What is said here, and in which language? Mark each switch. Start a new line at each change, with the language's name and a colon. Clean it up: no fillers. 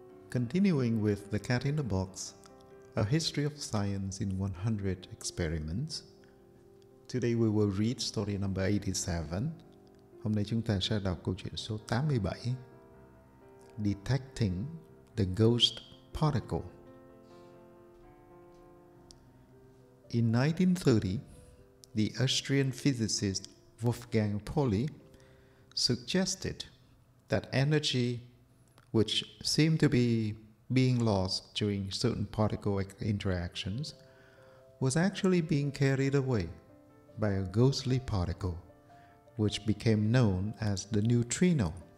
English: Continuing with The Cat in the Box, A History of Science in 100 Experiments, today we will read story number 87.
Vietnamese: Hôm nay chúng ta sẽ đọc câu chuyện số 87, Detecting the Ghost Particle.
English: In 1930, the Austrian physicist Wolfgang Pauli suggested that energy, which seemed to be being lost during certain particle interactions, was actually being carried away by a ghostly particle, which became known as the neutrino.